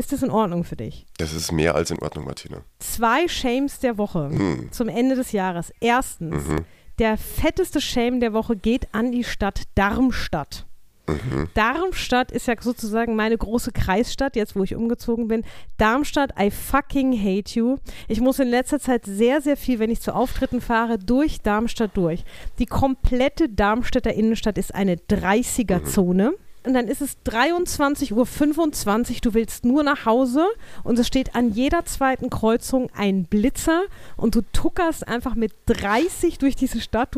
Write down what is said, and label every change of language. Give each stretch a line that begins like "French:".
German: Ist das in Ordnung für dich? Das ist mehr als in Ordnung, Martina. Zwei Shames der Woche zum Ende des Jahres. Erstens, der fetteste Shame der Woche geht an die Stadt Darmstadt. Darmstadt ist ja sozusagen meine große Kreisstadt, jetzt wo ich umgezogen bin.
English: Darmstadt, I fucking hate you.
German: Ich muss in letzter Zeit sehr, sehr viel, wenn ich zu Auftritten fahre, durch Darmstadt durch. Die komplette Darmstädter Innenstadt ist eine 30er-Zone. Und dann ist es 23.25 Uhr, du willst nur nach Hause und es steht an jeder zweiten Kreuzung ein Blitzer und du tuckerst einfach mit 30 durch diese Stadt.